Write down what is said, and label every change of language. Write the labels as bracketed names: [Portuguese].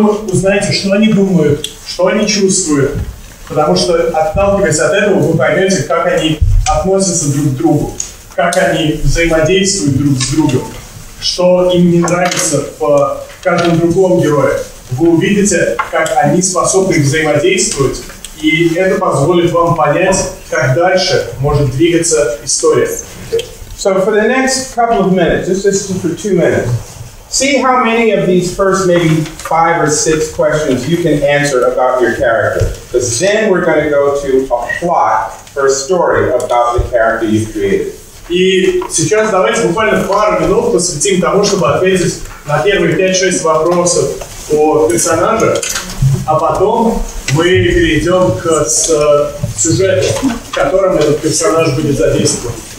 [Russian] Узнайте, что они думают, что они чувствуют, потому что, отталкиваясь от этого, вы поймете, как они относятся друг к другу, как они взаимодействуют друг с другом, что им не нравится в каждом другом герое. Вы увидите, как они способны взаимодействовать, и это позволит вам понять, как дальше может двигаться история. [English] So for the next couple of minutes, just listen for 2 minutes. See how many of these first maybe 5 or 6 questions you can answer about your character. Because then we're going to go to a plot for a story about the character you've created. [Russian] И сейчас давайте буквально пару минут посвятим тому, чтобы ответить на первые 5-6 вопросов о персонаже, а потом мы перейдем к сюжету, в котором этот персонаж будет задействован.